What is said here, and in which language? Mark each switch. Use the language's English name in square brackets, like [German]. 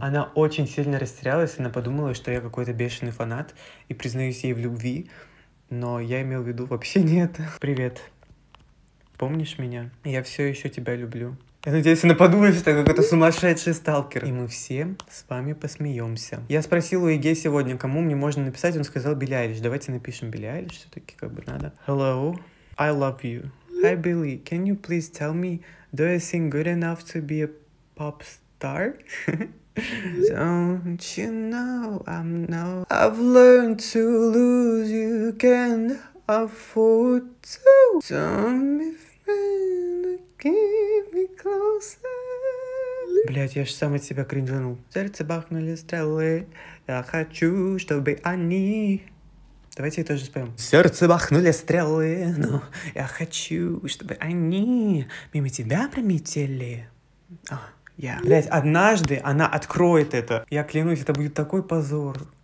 [Russian] Она очень сильно растерялась, она подумала, что я какой-то бешеный фанат и признаюсь ей в любви, но я имел в виду вообще не это. Привет. Помнишь меня? Я все еще тебя люблю. Я надеюсь, она подумает, что я какой-то сумасшедший сталкер. И мы все с вами посмеемся. Я спросил у Иге сегодня, кому мне можно написать, он сказал Билли Айлиш. Давайте напишем Билли Айлиш, все-таки как бы надо. [English] Hello, I love you. Hi, Billy. Can you please tell me, do I sing good enough to be a pop star? Don't you know I'm now? I've learned to lose you, can't afford to. Tell me, friend, keep me closer. [Russian] Блять, я ж сам от себя кринжанул. Сердце бахнули стрелы, я хочу, чтобы они... Давайте тоже споем. Сердце бахнули стрелы, но я хочу, чтобы они мимо тебя прометели. Блять, однажды она откроет это. Я клянусь, это будет такой позор.